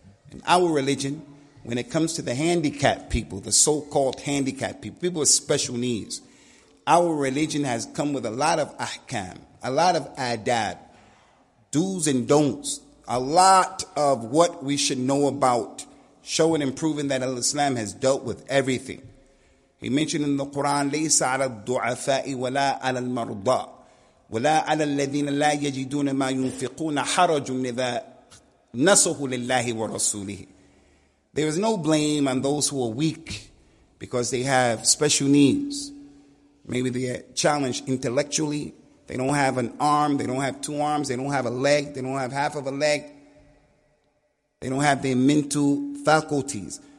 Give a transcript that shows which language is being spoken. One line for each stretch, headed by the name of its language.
English: In our religion, when it comes to the handicapped people, the so-called handicapped people, people with special needs, our religion has come with a lot of ahkam, a lot of adab, do's and don'ts, a lot of what we should know about, showing and proving that Al-Islam has dealt with everything.
Arabic: He mentioned in the Quran, لَيْسَ عَلَى الدُّعَفَاءِ وَلَا عَلَى الْمَرْضَىٰ وَلَا عَلَى الَّذِينَ لَا يَجِدُونَ مَا يُنْفِقُونَ حَرَجٌ نِذَا نَصُهُ لِلَّهِ وَرَسُولِهِ.
English: There is no blame on those who are weak because they have special needs. Maybe they are challenged intellectually. They don't have an arm. They don't have two arms. They don't have a leg. They don't have half of a leg. They don't have their mental faculties.